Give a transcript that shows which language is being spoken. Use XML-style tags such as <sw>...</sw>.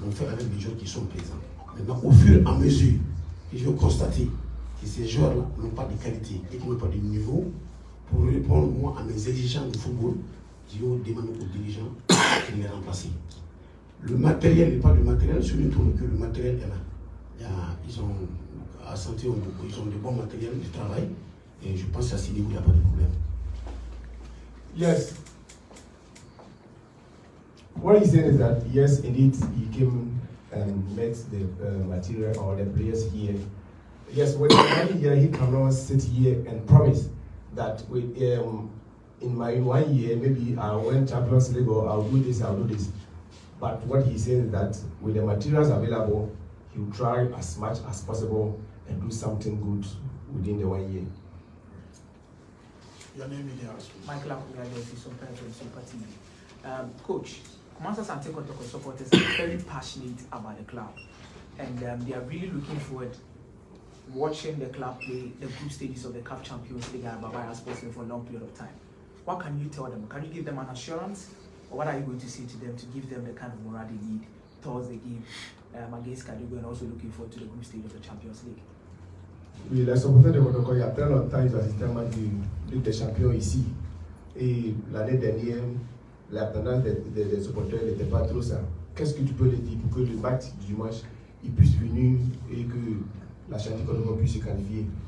<fr>On fait avec les joueurs qui sont présents. Maintenant, au fur et à mesure que je vais constater que ces joueurs-là n'ont pas de qualité et qu'ils n'ont pas de niveau, pour répondre moi à mes exigences de football, je vais demander aux dirigeants de les remplacer. Le matériel n'est pas le matériel, je trouve que le matériel est là. Ils ont à santé, ils ont de bons matériels de travail et je pense qu'à ce niveau, il n'y a pas de problème.</fr> <en>Yes. What he said is that, yes, indeed, he came and met the material or the players here. Yes, when he came here, he cannot sit here and promise that in my 1 year, maybe I'll win Champions League or I'll do this. But what he said is that with the materials available, he'll try as much as possible and do something good within the 1 year. Your name is Michael Coach. Master Asante Kotoko supporters are very passionate about the club and they are really looking forward watching the club play the group stages of the CAF Champions League at Babaya Sports for a long period of time. What can you tell them? Can you give them an assurance? Or what are you going to say to them to give them the kind of morale they need towards the game against Kadiogo and also looking forward to the group stage of the Champions League?</en> <fr>Oui, la supporter de Kotoko, il y a très longtemps, il a assisté à la Ligue des Champions ici. Et l'année dernière, l'attendance des supporters n'était pas trop ça. Qu'est-ce que tu peux leur dire pour que le match du dimanche il puisse venir et que la chantier qu'on puisse se qualifier?</fr>